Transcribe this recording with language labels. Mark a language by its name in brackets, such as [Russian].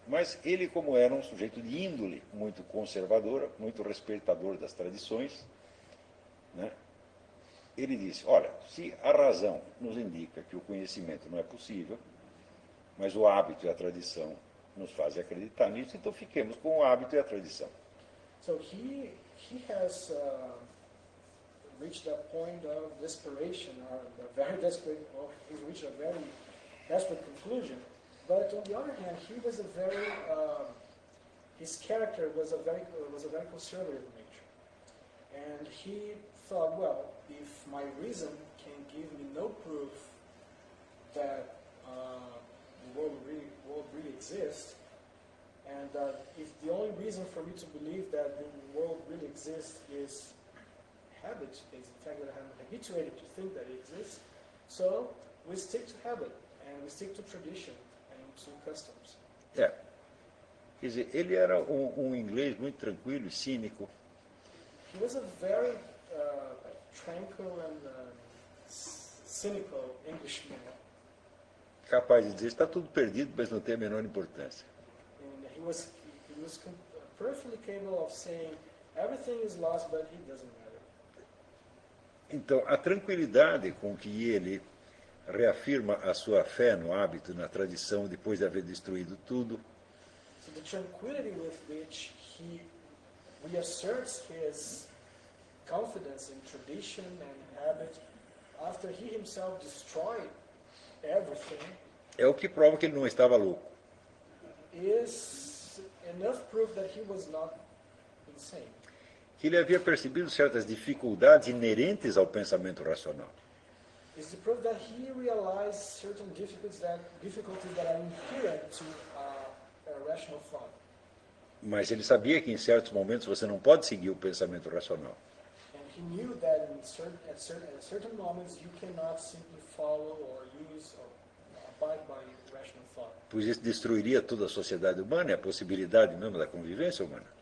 [Portuguese] Mas ele, como era um sujeito de índole muito conservadora, muito respeitador das tradições, né? Ele disse, olha, se a razão nos indica que o conhecimento não é possível, mas o hábito e a tradição nos fazem acreditar nisso, então fiquemos com o hábito e a tradição. [English] So he has reached a point of desperation, or a very desperate, or he reached a very desperate conclusion. But on the other hand, he was a very his character was a very conservative nature. And he thought, well, if my reason can give me no proof that the world really exists, and if the only reason for me to believe that the world really exists is habit, is the fact that I'm habituated to think that it exists, so we stick to habit, and we stick to tradition and to customs. Yeah. [Portuguese] Quer dizer, ele era um inglês muito tranquilo e cínico. [English] He was a very tranquil and cynical Englishman. [Portuguese] Capaz de dizer, está tudo perdido, mas não tem a menor importância. [English] And he was perfectly capable of saying, everything is lost, but it doesn't matter. [Portuguese] Então, a tranquilidade com que ele reafirma a sua fé no hábito, na tradição, depois de haver destruído tudo. [English] So the tranquility with which he reasserts his confidence in tradition and habit after he himself destroyed everything [Portuguese] é o que prova que ele não estava louco. [English] Is enough proof that he was not insane. [Portuguese] Que ele havia percebido certas dificuldades inerentes ao pensamento racional. [English] Is the proof that he realized certain difficulties that are inherent to rational thought. [Portuguese] Mas ele sabia que em certos momentos você não pode seguir o pensamento racional. [English] And he knew that at certain moments you cannot simply follow or use or abide by rational thought. [Portuguese] Pois isso destruiria toda a sociedade humana e a possibilidade mesmo da convivência humana.